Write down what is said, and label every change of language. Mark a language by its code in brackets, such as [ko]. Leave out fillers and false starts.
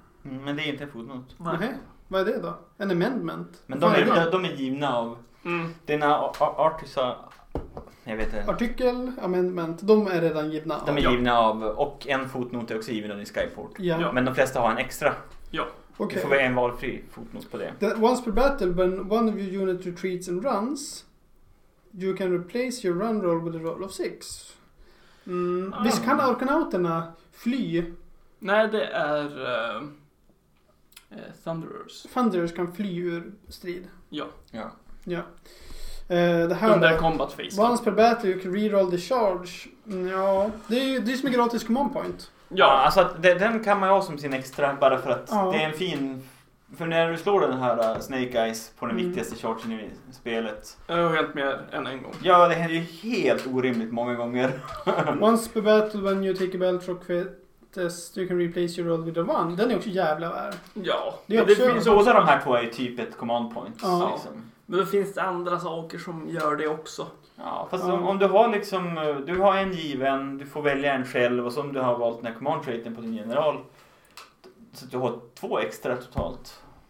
[sv] Mm, men det är inte en fotnot. Nej. Nej. Vad är det då? En amendment? Men de är givna av dina artisar. Jag vet inte. Artikel, amendment, de är redan givna av. De är givna av, och en fotnot är också given av din Skyport. Ja. Men de flesta har en extra. Ja. Okay. Du får välja en valfri fotnot på det. [en] That once per battle, when one of your unit retreats and runs, you can replace your run roll with a roll of 6. [sv] Mm. Ah. Visst kan arkanauterna fly? Nej, det är Thunderers. Thunderers kan fly ur strid. Ja. Ja. Ja. [en] Under combat phase. Once per battle you can reroll the charge. [sv] Ja, det är som en gratis command point. Ja, alltså den kan man ha som sin extra. Bara för att det är en fin. För när du slår den här Snake Eyes på den viktigaste chargen i spelet. Jag har helt mer än en gång. Ja, det händer ju helt orimligt många gånger. [en] Once per battle when you take a belt or quit, you can replace your roll with a one. [sv] Den är också jävla värd. Ja, det finns båda de här två är typ ett command point. Ja, liksom. Men då finns det andra saker som gör det också. Ja, fast om du har liksom, du har en given, du får välja en själv, och så om du har valt den här command traiten på din general, så att du har 2 extra totalt.